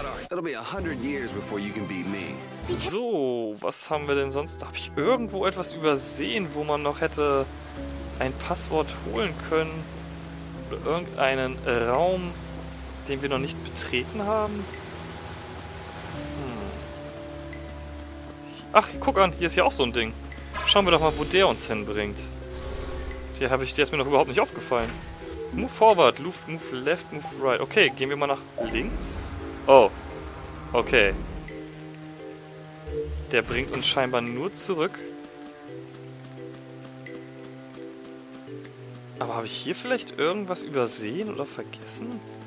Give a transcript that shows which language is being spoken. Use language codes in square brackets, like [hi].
[en] It'll be 100 years before you can beat me. [de] So, was haben wir denn sonst? Habe ich irgendwo etwas übersehen, wo man noch hätte ein Passwort holen können? Oder irgendeinen Raum, den wir noch nicht betreten haben? Ach, guck an, hier ist ja auch so ein Ding. Schauen wir doch mal, wo der uns hinbringt. Der ist mir noch überhaupt nicht aufgefallen. [en] Move forward, move left, move right. [de] Okay, gehen wir mal nach links. Oh, okay. Der bringt uns scheinbar nur zurück. Aber habe ich hier vielleicht irgendwas übersehen oder vergessen?